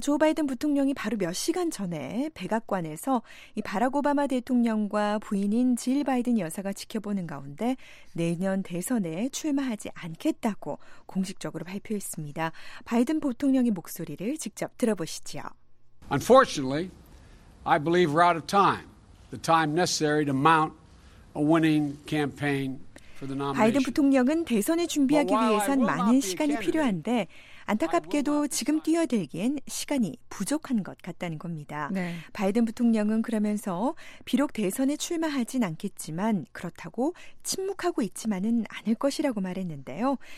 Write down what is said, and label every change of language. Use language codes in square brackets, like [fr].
[ko] 조 바이든 부통령이 바로 몇 시간 전에 백악관에서 이 바락 오바마 대통령과 부인인 질 바이든 여사가 지켜보는 가운데 내년 대선에 출마하지 않겠다고 공식적으로 발표했습니다. 바이든 부통령의 목소리를 직접 들어보시죠. [en] Unfortunately, I believe we're out of time. The time necessary to mount a winning campaign. [ko] 바이든 부통령은 대선을 준비하기 위해선 많은 시간이 필요한데 안타깝게도 지금 뛰어들기엔 시간이 부족한 것 같다는 겁니다. 네. 바이든 부통령은 그러면서 비록 대선에 출마하진 않겠지만 그렇다고 침묵하고 있지만은 않을 것이라고 말했는데요.